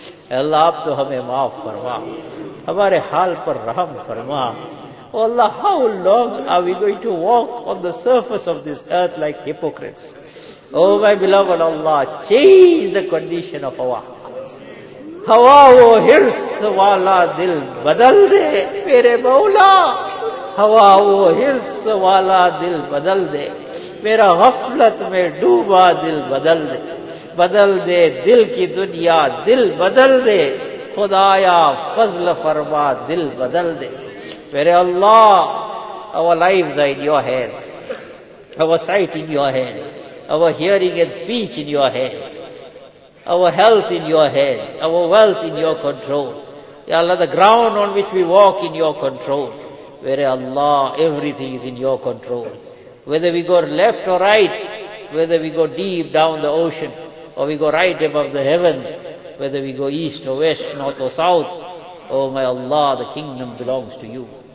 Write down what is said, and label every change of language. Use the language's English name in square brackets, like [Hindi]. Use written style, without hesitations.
[Urdu] Ay Allah, ab to hame maaf farma. Hamare hal par raham farma. [English] Oh Allah, how long are we going to walk on the surface of this earth like hypocrites? Oh my beloved Allah, change the condition of our hearts. [Urdu] ہوا وہ حرص والا دل بدل دے میرے مولا، ہوا وہ حرص والا دل بدل دے، میرا غفلت میں ڈوبا دل بدل دے، بدل دے دل کی دنیا دل بدل دے، خدایا فضل فرما دل بدل دے۔ میرے اللہ، [English] our lives are in your hands, our sight in your hands, our hearing and speech in your hands, our health in your hands, our wealth in your control. Ya Allah, the ground on which we walk in your control. Mere Allah, everything is in your control. Whether we go left or right, whether we go deep down the ocean, or we go right above the heavens, whether we go east or west, north or south, oh my Allah, the kingdom belongs to you.